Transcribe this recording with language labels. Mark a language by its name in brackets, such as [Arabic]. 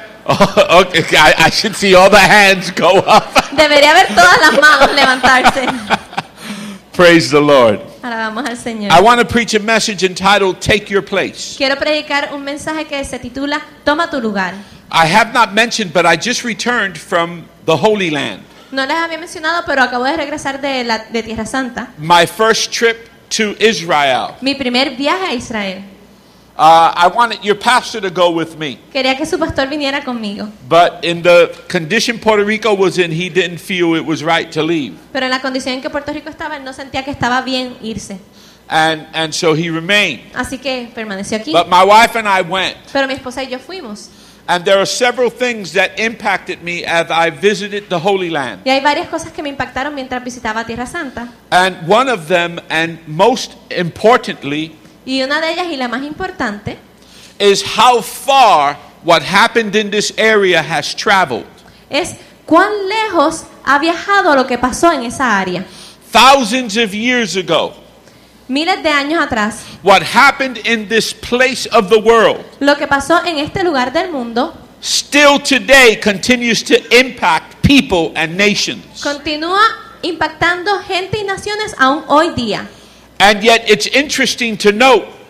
[English] Oh, okay, I should see all the hands go up. [Spanish] Debería ver todas las manos levantarse. [English] Praise the Lord. [Spanish] Alabamos al Señor. [English] I want to preach a message entitled Take Your Place. [Spanish] Quiero predicar un mensaje que se titula Toma tu lugar. [English] I have not mentioned, but I just returned from the Holy Land. [Spanish] No les había mencionado, pero acabo de regresar de Tierra Santa. [English] My first trip to Israel. [Spanish] Mi primer viaje a Israel. [English] I wanted your pastor to go with me. [Spanish] Quería que su pastor viniera conmigo. [English] But in the condition Puerto Rico was in, he didn't feel it was right to leave. [Spanish] Pero en la condición en que Puerto Rico estaba, él no sentía que estaba bien irse. [English] And so he remained. [Spanish] Así que permaneció aquí. [English] But my wife and I went. [Spanish] Pero mi esposa y yo fuimos. [English] And there are several things that impacted me as I visited the Holy Land. [Spanish] Y hay varias cosas que me impactaron mientras visitaba Tierra Santa. [English] And one of them, and most importantly, [Spanish] y una de ellas y la más importante [English] is how far what happened in this area has traveled. [Spanish] Es cuán lejos ha viajado lo que pasó en esa área. [English] Thousands of years ago. [Spanish] Miles de años atrás. [English] What happened in this place of the world. [Spanish] Lo que pasó en este lugar del mundo. [English] Still today continues to impact people and nations. [Spanish] Continúa impactando gente y naciones aún hoy día. [English] And yet it's interesting to note,